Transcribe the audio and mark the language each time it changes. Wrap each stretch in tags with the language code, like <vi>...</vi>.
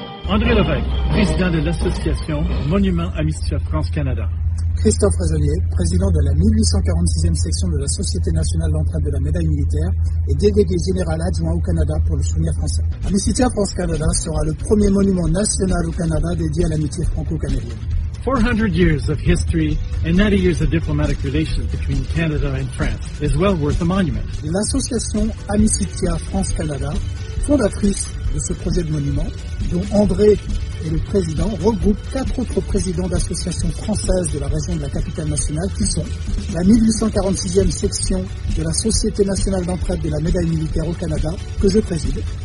<fr>André Lévesque, président de l'association Monument Amitié France-Canada. Christophe Raisonnier, président de la 1846e section de la Société nationale d'entraide de la médaille militaire et délégué général adjoint au Canada pour le souvenir français. Amitié France-Canada sera le premier monument national au Canada dédié à l'amitié franco-canadienne.</fr> <en>400 years of history and 90 years of diplomatic relations between Canada and France is well worth a monument.</en> <fr>L'association Amitié France-Canada, fondatrice de ce projet de monument, dont André est le président, regroupe 4 autres présidents d'associations françaises de la région de la capitale nationale qui sont la 1846e section de la Société nationale d'entraide de la médaille militaire au Canada, que je préside.</fr>